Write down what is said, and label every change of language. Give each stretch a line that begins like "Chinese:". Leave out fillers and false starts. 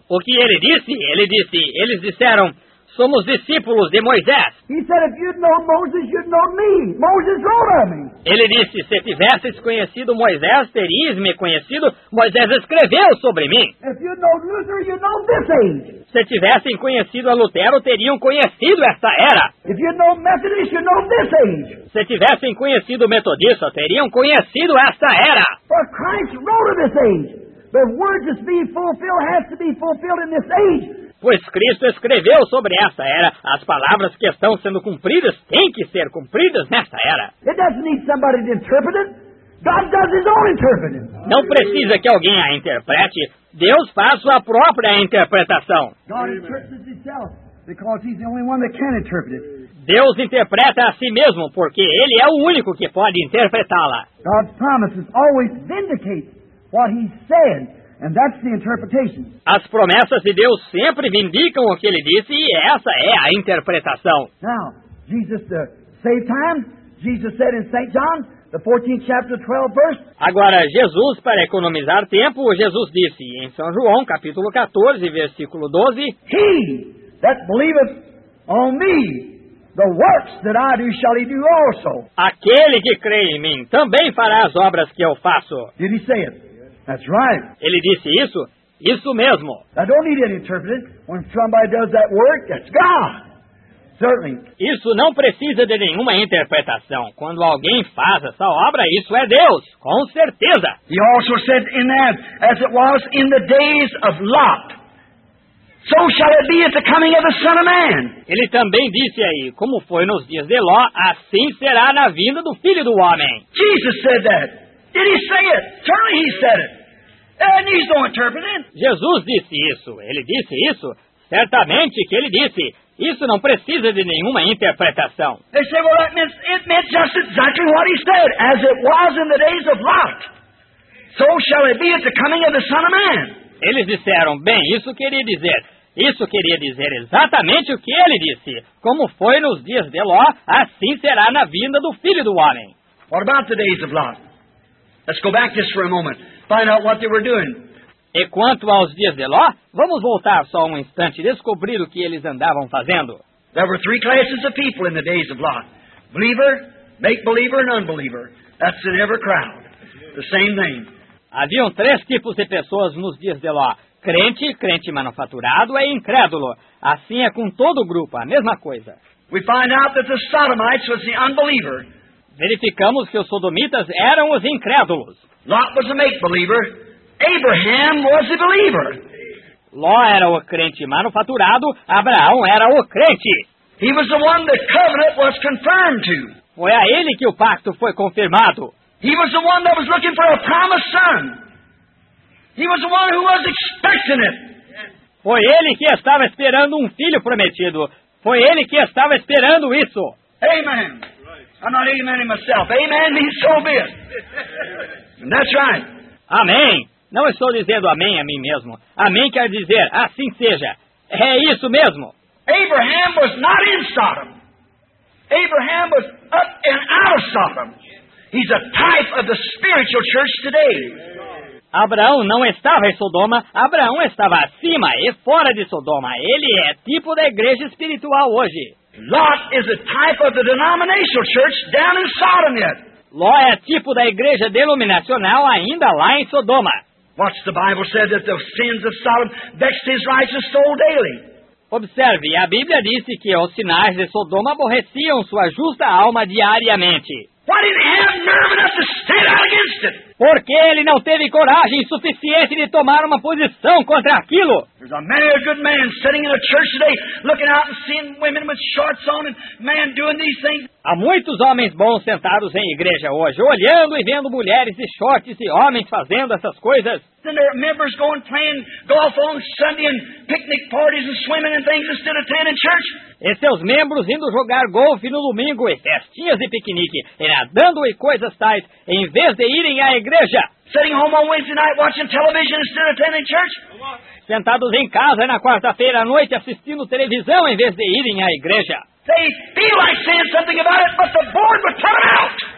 Portuguese: O que ele disse? Ele disse, eles disseram, somos discípulos de Moisés.
English: He said, if you'd known Moses, you'd know me. Moses wrote on me.
Portuguese: Ele disse, se tivesses conhecido Moisés, terias me conhecido. Moisés escreveu sobre mim.
English: If you'd known Luther, you'd know this age.
Portuguese: Se tivessem conhecido a Lutero, teriam conhecido esta era.
English: If you'd known Methodist, you'd know this age.
Portuguese: Se tivessem conhecido metodista, teriam conhecido esta era.
English: For Christ wrote of this age. The word to be fulfilled has to be fulfilled in this age.
Portuguese: Pois Cristo escreveu sobre esta era. As palavras que estão sendo cumpridas têm que ser cumpridas nesta era.
English: It doesn't need somebody to interpret it. God does his own interpreting.
Portuguese: Não precisa que alguém a interprete. Deus faz sua própria interpretação.
English: God interprets himself because he's the only one that can interpret it.
Portuguese: Deus interpreta a si mesmo porque ele é o único que pode interpretá-la.
English: God's promises always vindicate what he said. And that's the interpretation.
Portuguese: As promessas de Deus sempre vindicam o que ele disse e essa é a interpretação.
English: Now, Jesus saved time. Jesus said in St. John, the 14th chapter, 12th verse.
Portuguese: Agora, Jesus, para economizar tempo, Jesus disse em São João, capítulo 14, versículo 12.
English: He that believeth on me, the works that I do shall he do also.
Portuguese: Aquele que crê em mim também fará as obras que eu faço.
English: Did he say it? That's right.
Portuguese: Ele disse isso? Isso mesmo.
English: I don't need an interpreter. When somebody does that work, that's God. Certainly.
Portuguese: Isso não precisa de nenhuma interpretação. Quando alguém faz essa obra, isso é Deus, com certeza.
English: He also said in that, as it was in the days of Lot, so shall it be at the coming of the Son of Man.
Portuguese: Ele também disse aí, como foi nos dias de Ló, assim será na vinda do Filho do Homem.
English: Jesus said that. Did he say it? Certainly he said it. And he's no interpreter.
Portuguese: Jesus disse isso. Ele disse isso. Certamente que ele disse. Isso não precisa de nenhuma interpretação.
English: They say, well, it meant just exactly what he said. As it was in the days of Lot, so shall it be at the coming of the Son of Man.
Portuguese: Eles disseram, bem, isso queria dizer. Isso queria dizer exatamente o que ele disse. Como foi nos dias de Ló, assim será na vinda do Filho do Homem.
English: What about the days of Lot? Let's go back just for a moment. Find out what they were doing.
Portuguese: E quanto aos dias de Ló, vamos voltar só um instante e descobrir o que eles andavam fazendo.
English: There were three classes of people in the days of Lot. Believer, make-believer, and unbeliever. That's in every crowd. The same thing.
Portuguese: Haviam três tipos de pessoas nos dias de Ló. Crente, crente manufaturado e incrédulo. Assim é com todo o grupo, a mesma coisa.
English: We find out that the Sodomites was the unbeliever.
Portuguese: Verificamos que os sodomitas eram os incrédulos.
English: Lot was a make-believer. Abraham was a believer.
Portuguese: Ló era o crente manufaturado. Abraão era o crente.
English: He was the one the covenant was confirmed to.
Portuguese: Foi a ele que o pacto foi confirmado.
English: He was the one that was looking for a promised son. He was the one who was expecting it.
Portuguese: Foi ele que estava esperando um filho prometido. Foi ele que estava esperando isso.
English: Amen. I'm not amening myself. Amen means so be it. And that's right.
Portuguese: Amém. Não estou dizendo amém a mim mesmo. Amém quer dizer assim seja. É isso mesmo.
English: Abraham was not in Sodom. Abraham was up and out of Sodom. He's a type of the spiritual church today.
Portuguese: Abraão não estava em Sodoma. Abraão estava acima e fora de Sodoma. Ele é tipo da igreja espiritual hoje.
English: Lot is a type of the denominational church down in Sodom yet.
Portuguese: Ló é tipo da igreja denominacional ainda lá em Sodoma.
English: Watch the Bible said that the sins of Sodom vexed his righteous soul daily.
Portuguese: Observe, a Bíblia disse que os sinais de Sodoma aborreciam sua justa alma diariamente.
English: Why didn't he have nerve enough to stand out against it?
Portuguese: Porque ele não teve coragem suficiente de tomar uma posição contra aquilo.
English: There's a many a good man sitting in a church today looking out and seeing women with shorts on and men doing these things.
Portuguese: Há muitos homens bons sentados em igreja hoje, olhando e vendo mulheres de shorts e homens fazendo essas coisas.
English: Then there are members going playing golf on Sunday and picnic parties and swimming and things instead of attending church.
Portuguese: E seus membros indo jogar golfe no domingo e festinhas de piquenique, e nadando e coisas tais, em vez de irem à igreja.
English: Sitting home on Wednesday night watching television instead of attending church.
Portuguese: Sentados em casa na quarta-feira à noite assistindo televisão em vez de irem à igreja.
English: They feel like saying something about it, but the board would turn out.